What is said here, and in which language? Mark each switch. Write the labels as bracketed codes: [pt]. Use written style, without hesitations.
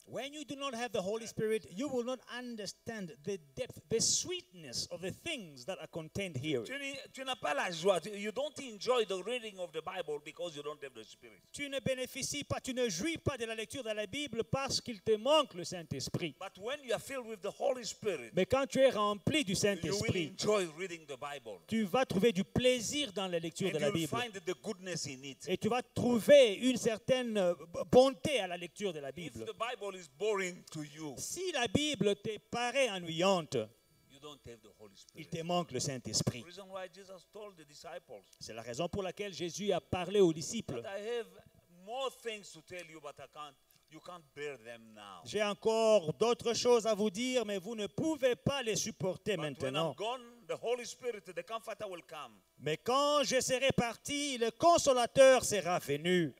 [en] When you do not have the Holy Spirit, you will not understand the depth, the sweetness of the things that are contained here. [fr] Tu n'as pas la joie. [en] You don't enjoy the reading of the Bible because you don't have the Spirit. [fr] Tu ne bénéficies pas, tu ne jouis pas de la lecture de la Bible parce qu'il te manque le Saint-Esprit. [en] But when you are filled with the Holy Spirit, [fr] mais quand tu es rempli du Saint-Esprit, [en] you will enjoy reading the Bible. [fr] Tu vas trouver du plaisir dans la lecture [en] and [fr] de la Bible. [en] Find the goodness in it. [fr] Et tu vas trouver une certaine bonté à la lecture de la Bible. [en] If the Bible is boring to you, [fr] si la Bible te paraît ennuyante, [en] you don't have the Holy Spirit. [fr] Il te manque le Saint-Esprit. [en] The reason why Jesus told the disciples, [fr] c'est la raison pour laquelle Jésus a parlé aux disciples. [en] But I have more things to tell you, but I can't. You can't bear them now. [fr] J'ai encore d'autres choses à vous dire, mais vous ne pouvez pas les supporter [en] but [fr] maintenant. [en] When I'm gone, the Holy Spirit, the Comforter will come. [fr] Mais quand je serai parti, le Consolateur sera venu.